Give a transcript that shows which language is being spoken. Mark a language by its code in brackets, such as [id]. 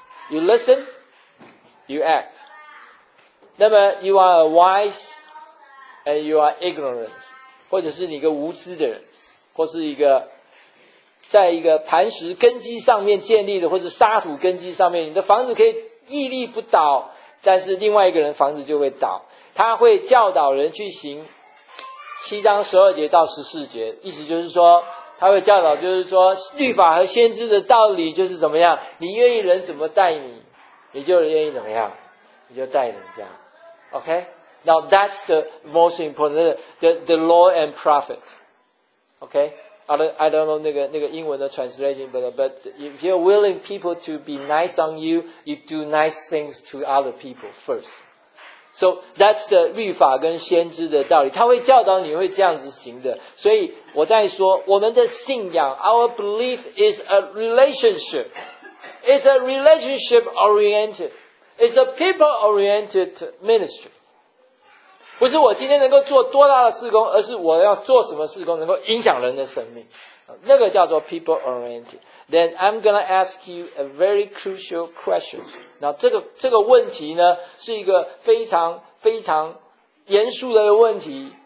[en] You listen, you act. [zh] 那么 [en] you are a wise and you are ignorant， [zh] 或者是你一个无知的人，或是一个在一个磐石根基上面建立的，或是沙土根基上面，你的房子可以屹立不倒，但是另外一个人房子就会倒。他会教导人去行七章十二节到十四节，意思就是说，他会教导，就是说律法和先知的道理就是怎么样，你愿意人怎么带你，你就愿意怎么样，你就带人这样。 [en] OK， now that's the most important the law and prophet。 OK。 I don't know [zh] 那个英文的 [en] translation, but if you're willing people to be nice on you, you do nice things to other people first. So that's the [zh] 律法跟先知的道理，他会教导你会这样子行的。所以我在说我们的信仰 [en] ，our belief is a relationship, it's a relationship oriented, it's a people oriented ministry. [zh] 不是我今天能够做多大的事工，而是我要做什么事工能够影响人的生命，那个叫做 people oriented. [en] Then I'm going to ask you a very crucial question. [zh] 那这个问题呢，是一个非常非常严肃的问题。